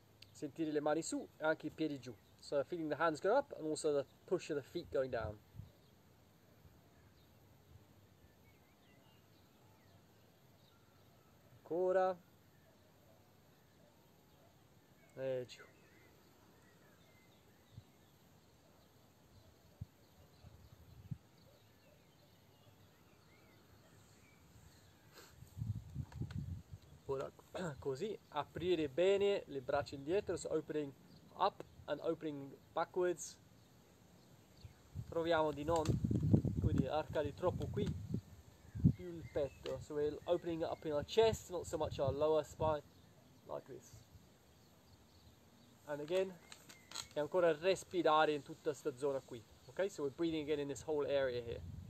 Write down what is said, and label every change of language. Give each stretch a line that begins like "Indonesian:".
Italian: Sentire le mani su e anche i piedi giù.
English: So feeling the hands go up and also the push of the feet going down.
Italian: Ancora. E giù. Ora così, aprire bene le braccia indietro,
English: so opening up. And opening backwards.
Italian: Proviamo di non quindi arcare troppo qui più il petto.
English: So we're opening up in our chest, not so much our lower spine, like this. And again,
Italian: e ancora respirare in tutta questa zona qui. Ok?
English: So we're breathing again in this whole area here.